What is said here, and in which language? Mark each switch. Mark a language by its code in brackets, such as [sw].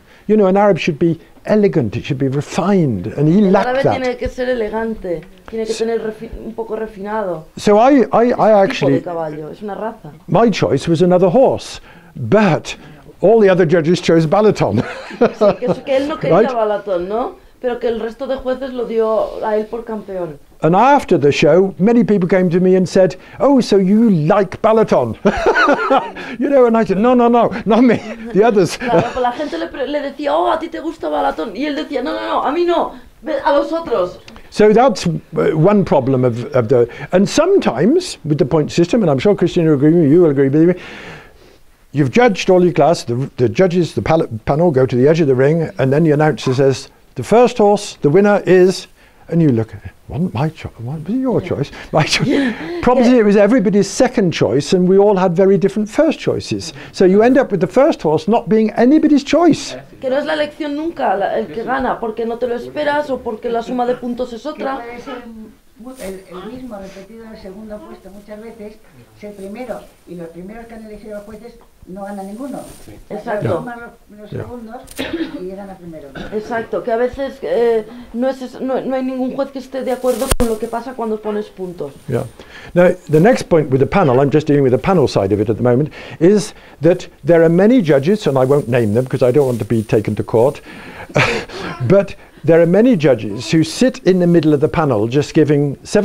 [en] You know, an Arab should be elegant, it should be refined, and he lacked that. [es] Tiene que ser elegante, tiene que tener un poco refinado. [en] So I actually, [es] es una raza. [en] My choice was another horse, but all the other judges chose Balaton. Right? [es] Pero que el resto de jueces lo dio a él por campeón. [en] And after the show, many people came to me and said, "Oh, so you like Balaton?" You know, and I said, no, not me, the others. [es] Claro, pues la gente le decía, oh, a ti te gusta Balaton. Y él decía, no, a mí no, a los otros. [en] So that's one problem of the... And sometimes, with the point system, and I'm sure Christina will agree with me, you will agree with me, you've judged all your class, the judges, the panel go to the edge of the ring, and then the announcer says, "The first horse, the winner is..." And you look at it. Wasn't my choice. Was it your choice? My choice. Probably it was everybody's second choice, and we all had very different first choices. So you end up with the first horse not being anybody's choice. [es] Que no es la elección nunca el que gana, porque no te lo esperas o porque la suma de puntos es otra. Que puede ser el mismo repetido en el segundo puesto muchas veces, ser primero, y los primeros que han elegido los jueces no gana ninguno. Exacto. Los segundos y llegan a primero. Exacto, que a veces no hay ningún juez que esté de acuerdo con lo que pasa cuando pones puntos. [en] Yeah. Now, the next point with the panel, I'm just dealing with the panel side of it at the moment, is that there are many judges, and I won't name them because I don't want to be taken to court, but there are many judges who sit in the middle of the panel just giving